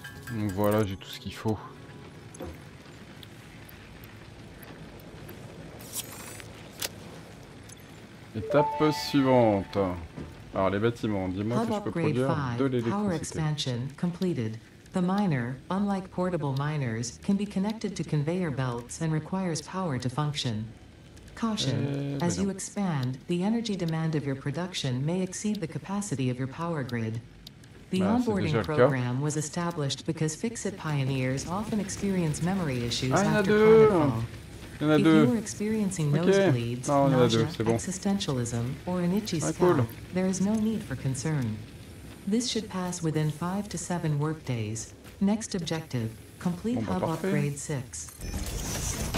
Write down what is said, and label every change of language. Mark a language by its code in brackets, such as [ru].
[fr] Donc voilà, j'ai tout ce qu'il faut. Étape suivante. Alors les bâtiments, dis-moi que je peux produire de l'électricité. [en] Power expansion completed. The miner, unlike portable miners, can be connected to conveyor belts and requires power to function. Caution, as you expand, the energy demand of your production may exceed the capacity of your power grid. The onboarding program was established because Fixit pioneers often experience memory issues after protocol. [fr] Il y en a deux. Ok. Non, il y en a deux, c'est bon. [en] Ah, cool. There is no need for concern. This should pass within 5 to 7 work days. Next objective, complete hub upgrade 6.